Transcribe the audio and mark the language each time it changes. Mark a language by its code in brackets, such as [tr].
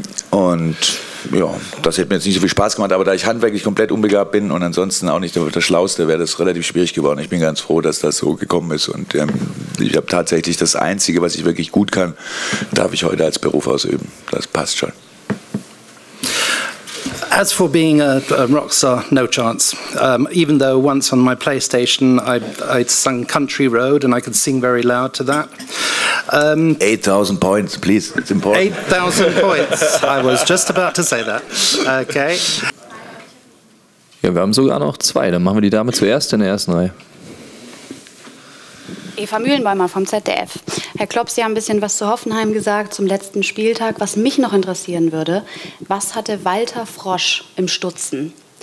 [de] Und ja, das hätte mir jetzt nicht so viel Spaß gemacht, aber da ich handwerklich komplett unbegabt bin und ansonsten auch nicht der Schlauste, wäre das relativ schwierig geworden. Ich bin ganz froh, dass das so gekommen ist und ich habe tatsächlich das Einzige, was ich wirklich gut kann, darf ich heute als Beruf ausüben. Das passt schon. [en] As for being a rock star, no chance. Even though once on my PlayStation, I'd sung Country Road, and I could sing very loud to that. 8,000 points, please. It's important. 8,000 points. I was just about to say that. Okay. [de] Ja, wir haben sogar noch zwei. Dann machen wir die Dame zuerst in der ersten Reihe. Eva Mühlenbäumer vom ZDF. Herr Klopp, Sie haben ein bisschen was zu Hoffenheim gesagt zum letzten Spieltag. Was mich noch interessieren würde, was hatte Walter Frosch im Stutzen?